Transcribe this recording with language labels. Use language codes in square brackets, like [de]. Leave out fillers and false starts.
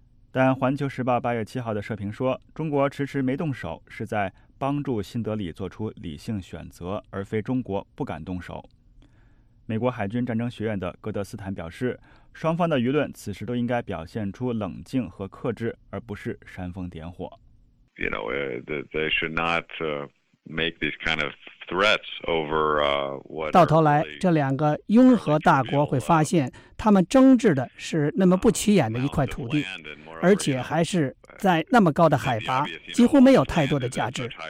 [zh] 但《环球时报》8月7号的社评说，中国迟迟没动手，是在帮助新德里做出理性选择，而非中国不敢动手。美国海军战争学院的戈德斯坦表示，双方的舆论此时都应该表现出冷静和克制，而不是煽风点火。 [en] You know, they should not make these kind of threats over what. [zh] 到头来，这两个拥核大国会发现，他们争执的是那么不起眼的一块土地，而且还是在那么高的海拔，几乎没有太多的价值。